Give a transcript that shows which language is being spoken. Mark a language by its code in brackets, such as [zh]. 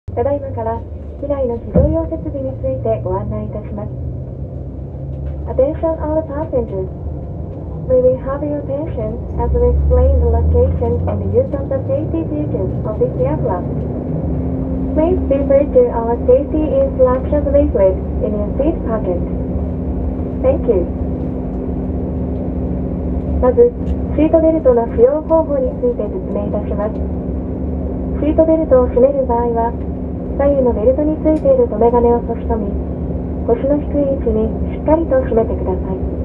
[ja] ただいまから機内の非常用設備についてご案内いたします。 [en] Attention all passengers. May we have your attention as we explain the location and the use of the safety beacons of this aircraft. Please refer to our safety instructions leaflet in your seat pocket. Thank you. [ja] まずシートベルトの使用方法について説明いたします。シートベルトを締める場合は左右のベルトについている留め金を差し込み、腰の低い位置にしっかりと締めてください。